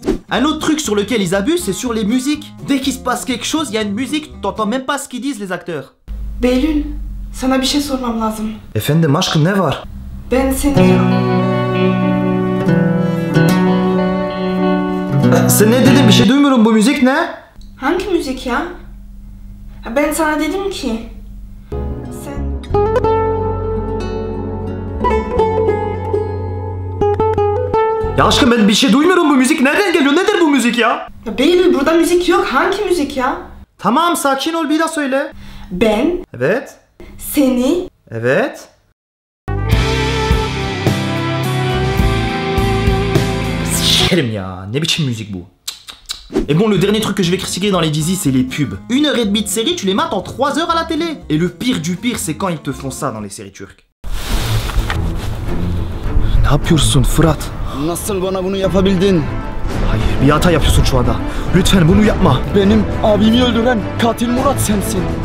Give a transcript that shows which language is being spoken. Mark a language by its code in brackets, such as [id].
[fr] Un autre truc sur lequel ils abusent, c'est sur les musiques. Dès qu'il se passe quelque chose, il y a une musique, t'entends même pas ce qu'ils disent les acteurs. [tr] Beylül, sana bir şey sormam lazım. Efendim, aşkım ne var? Ben seni... Sen ne dedin, bir şey duymuyorum, bu müzik ne? Hangi müzik ya? Ben sana dedim ki... Ya aşkım ben bir şey duymuyorum, bu müzik nereden geliyor, nedir bu müzik ya? Ya Beylül, burada müzik yok, hangi müzik ya? Tamam, sakin ol, bir daha söyle. Ben. Evet. Seni. Evet. Sikerim ya, ne biçim müzik bu? [fr] Et bon, le dernier truc que je vais critiquer dans les Dizzy, c'est les pubs. 1h30 de série, tu les mates en 3h à la télé. Et le pire du pire, c'est quand ils te font ça dans les séries turques. [tr] Ne yapıyorsun Fırat? Nasıl bana bunu yapabildin? Hayır, bir hata yapıyorsun şu anda. Lütfen bunu yapma. Benim abimi öldüren katil Murat sensin.